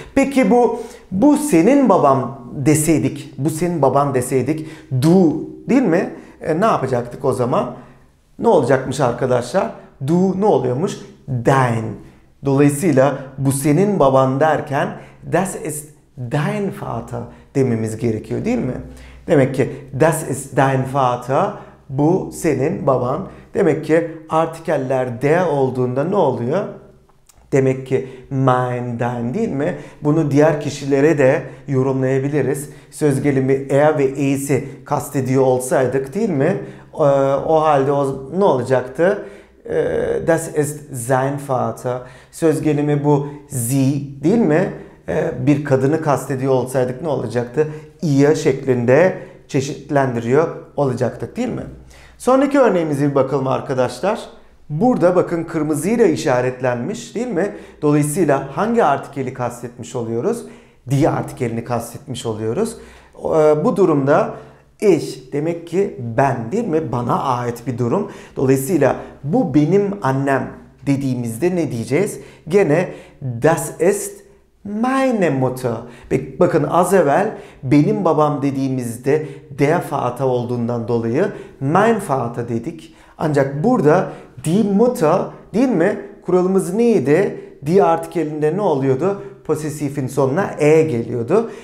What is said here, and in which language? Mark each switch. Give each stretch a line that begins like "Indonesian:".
Turkish: Peki bu senin babam deseydik, bu senin baban deseydik, du, değil mi? Ne yapacaktık o zaman? Ne olacakmış arkadaşlar? Du ne oluyormuş? Dein. Dolayısıyla bu senin baban derken
German: das ist dein Vater
Turkish: dememiz gerekiyor, değil mi? Demek ki
German: das ist dein Vater,
Turkish: bu senin baban. Demek ki artikeller de olduğunda ne oluyor? Demek ki mein, dein, değil mi? Bunu diğer kişilere de yorumlayabiliriz. Söz gelimi er ve e'si kastediyor olsaydık, değil mi? O halde o ne olacaktı?
German: Das ist sein Vater.
Turkish: Söz gelimi bu sie, değil mi? Bir kadını kastediyor olsaydık ne olacaktı? Ihr şeklinde çeşitlendiriyor olacaktık, değil mi? Sonraki örneğimize bir bakalım arkadaşlar. Burada bakın kırmızıyla işaretlenmiş, değil mi? Dolayısıyla hangi artikeli kastetmiş oluyoruz? Die artikelini kastetmiş oluyoruz. Bu durumda ich demek ki ben, değil mi? Bana ait bir durum. Dolayısıyla bu benim annem dediğimizde ne diyeceğiz? Gene
German: das ist meine Mutter.
Turkish: Bakın az evvel benim babam dediğimizde der Vater olduğundan dolayı
German: mein Vater
Turkish: dedik. Ancak burada die Mutter, değil mi? Kuralımız neydi? Die artikelinde ne oluyordu? Possessif'in sonuna e geliyordu.